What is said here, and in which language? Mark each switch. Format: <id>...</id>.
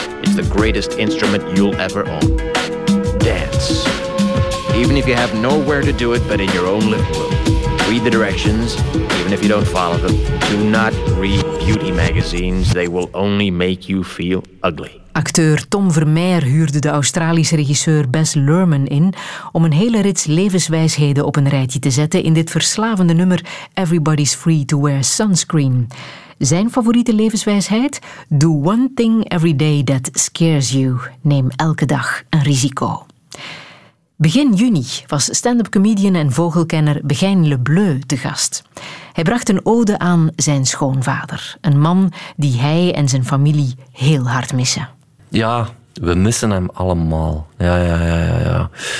<en>It's the greatest instrument you'll ever own. Dance. Even if you have nowhere to do it but in your own living room. Read the directions, even if you don't follow them. Do not read beauty magazines, they will only make you feel ugly.</en> <nl>Acteur Tom Vermeijer huurde de Australische regisseur Baz Luhrmann in om een hele rits levenswijsheden op een rijtje te zetten in dit verslavende nummer Everybody's Free to Wear Sunscreen. Zijn favoriete levenswijsheid?</nl> <en>Do one thing every day that scares you.</en> <nl>Neem elke dag een risico. Begin juni was stand-up comedian en vogelkenner Begijn Le Bleu te gast. Hij bracht een ode aan zijn schoonvader. Een man die hij en zijn familie heel hard missen. Ja, we missen hem allemaal. Ja.</nl>